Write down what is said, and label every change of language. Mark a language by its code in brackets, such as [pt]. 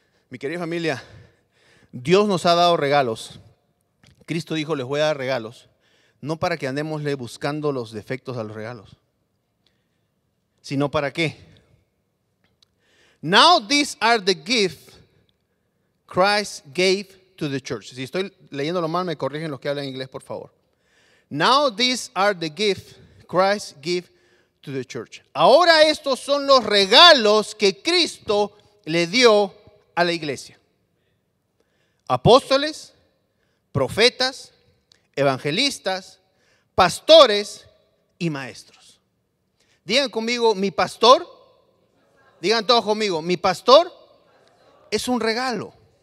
[es] Mi querida familia, Dios nos ha dado regalos. Cristo dijo, les voy a dar regalos, no para que andemosle buscando los defectos a los regalos, sino para qué. [en] Now these are the gifts Christ gave to the church. [es] Si estoy leyendo lo mal, me corrigen los que hablan inglés, por favor. [en] Now these are the gifts Christ gave to the church. [es] Ahora estos son los regalos que Cristo le dio a la iglesia. Apóstoles, profetas, evangelistas, pastores y maestros. Digan conmigo, mi pastor. Digan todos conmigo, mi pastor es un regalo.